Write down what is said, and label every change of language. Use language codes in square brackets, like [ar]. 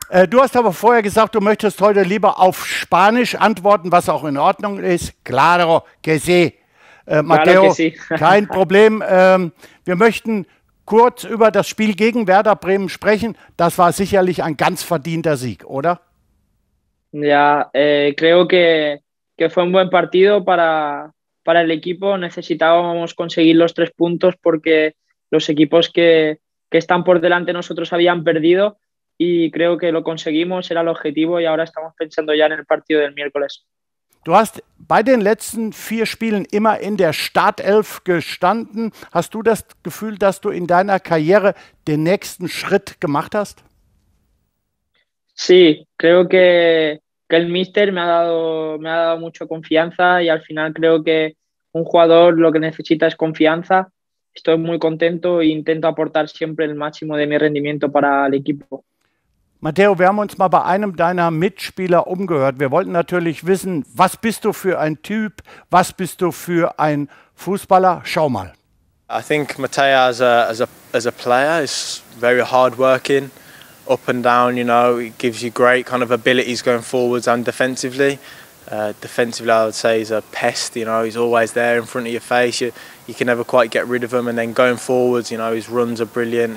[de] Du hast aber vorher gesagt, du möchtest heute lieber auf Spanisch antworten, was auch in Ordnung ist. [es] Claro que sí. Mateo, claro que sí. [de] Kein Problem. Wir möchten kurz über das Spiel gegen Werder Bremen sprechen. Das war sicherlich ein ganz verdienter Sieg, oder? [es] Ja, creo que fue un buen partido para el equipo. Necesitábamos conseguir los tres puntos porque los equipos que están por delante nosotros habían perdido. Y creo que lo conseguimos, era el objetivo y ahora estamos pensando ya en el partido del miércoles. [de] Du hast bei den letzten vier Spielen immer in der Startelf gestanden. Hast du das Gefühl, dass du in deiner Karriere den nächsten Schritt gemacht hast? [es] Sí, creo que el míster me ha dado mucha confianza y al final creo que un jugador lo que necesita es confianza. Estoy muy contento e intento aportar siempre el máximo de mi rendimiento para el equipo. [de] Mateo, wir haben uns mal bei einem deiner Mitspieler umgehört. Wir wollten natürlich wissen, was bist du für ein Typ? Was bist du für ein Fußballer? Schau mal. [en] I think Mateo as a player is very hardworking, up and down. You know, it gives you great kind of abilities going forwards and defensively. Defensively, I would say he's a pest. You know, he's always there in front of your face. You can never quite get rid of him. And then going forwards, you know, his runs are brilliant.